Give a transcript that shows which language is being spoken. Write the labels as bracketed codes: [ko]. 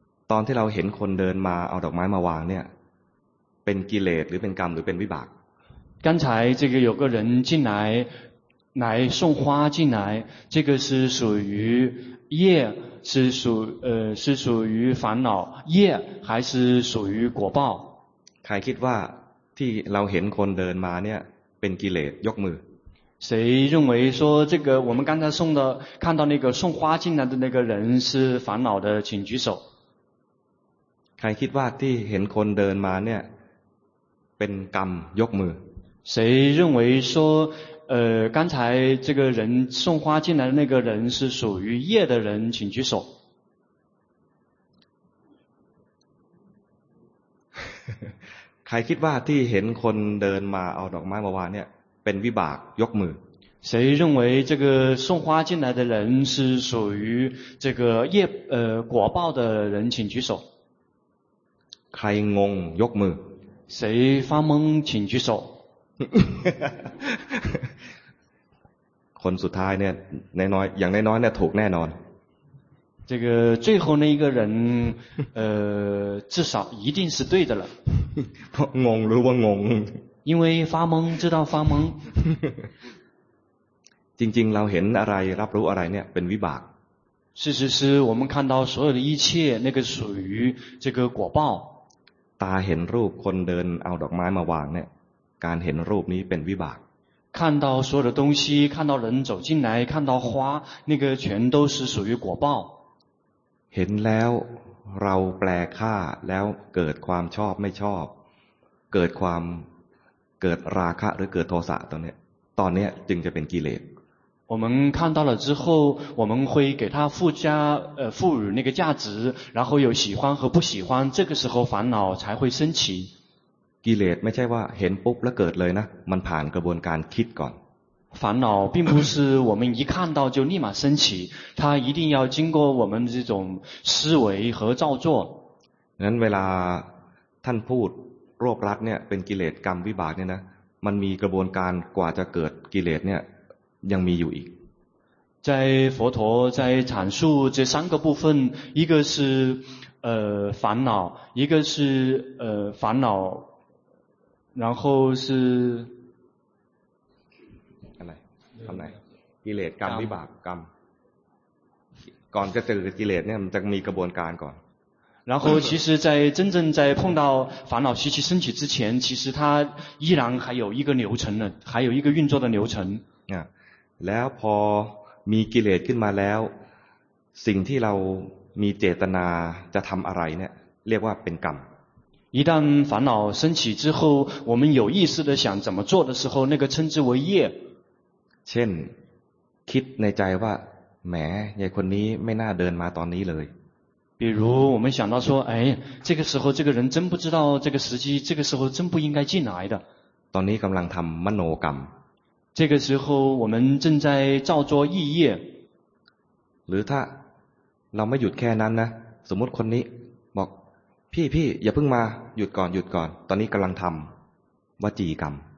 [th] ตอนที่เราเห็นคนเดินมาเอาดอกไม้มาวางเนี่ยเป็นกิเลสหรือเป็นกรรมหรือเป็นวิบาก [zh] 刚才这个有个人进来送花进来这个是属于业是属于烦恼业还是属于果报 [th] ใครคิดว่าที่เราเห็นคนเดินมาเนี่ยเป็นกิเลสยกมือ [zh] 谁认为说这个我们刚才送的看到那个送花进来的那个人是烦恼的请举手 [th] ใครคิดว่าที่เห็นคนเดินมาเนี่ยเป็นกรรมยกมือ [zh] 谁认为说刚才这个人送花进来的那个人是属于业的人请举手 [th] ใครคิดว่าที่เห็นคนเดินมาเอาดอกไม้มาวางเนี่ยเป็นวิบากยกมือ [zh] 谁认为这个送花进来的人是属于这个业果报的人请举手 [th] ใครงงยกมือ [zh] 谁发懵请举手 [th] คนสุดท้ายเนี่ยน้อยๆอย่างน้อยๆเนี่ยถูกแน่นอน [zh] 这个最后那一个人至少一定是对的了 [th] งงรู้ว่างง [zh] 因为发懵知道发懵 [th] จริงๆเราเห็นอะไรรับรู้อะไรเนี่ยเป็นวิบาก [zh] 事实是我们看到所有的一切那个属于这个果报 [th] ตาเห็นรูปคนเดินเอาดอกไม้มาวางเนี่ยการเห็นรูปนี้เป็นวิบาก [zh] 看到所有的东西看到人走进来看到花那个全都是属于果报 [th] เห็นแล้วเราแปลค่าแล้วเกิดความชอบไม่ชอบเกิดราคะหรือเกิดโทสะตอนนี้จึงจะเป็นกิเลส [zh] 我们看到了之后我们会给他赋予那个价值然后有喜欢和不喜欢这个时候烦恼才会升起 [th] กิเลสไม่ใช่ว่าเห็นปุ๊บแล้วเกิดเลยนะมันผ่านกระบวนการคิดก่อน [zh] 烦恼并不是我们一看到就立马升起它一定要经过我们这种思维和造作 [th] งั้นเวลาท่านพูดรวบรัดเนี่ยเป็นกิเลสกรรมวิบากเนี่ยนะมันมีกระบวนการกว่าจะเกิดกิเลสเนี่ยยังมีอยู่อีก [zh] 在佛陀在阐述这三个部分一个是烦恼一个是烦恼然后是 [th] อะไรทำไหนกิเลสกรรมวิบากกรรมก่อนจะเจอกิเลสเนี่ยมันจะมีกระบวนการก่อน [zh] 然后其实在真正在碰到烦恼习气升起之前其实它依然还有一个流程呢还有一个运作的流程 [th] แล้วพอมีกิเลสขึ้นมาแล้วสิ่งที่เรามีเจตนาจะทำอะไรเนี่ยเรียกว่าเป็นกรรม [zh] 一旦烦恼升起之后我们有意识的想怎么做的时候那个称之为业 [th] เช่นคิดในใจว่าแหมไอ้คนนี้ไม่น่าเดินมาตอนนี้เลย [zh] 比如我们想到说哎这个时候这个人真不知道这个时机这个时候真不应该进来的 [th] ตอนนี้กำลังทำมโนกรรม [zh] 这个时候我们正在造作意业 [th] หรือถ้าเราไม่หยุดแค่นั้นนะสมมติคนนี้บอกพี่อย่าเพิ่งมาหยุดก่อนตอนนี้กำลังทำวจีกรรม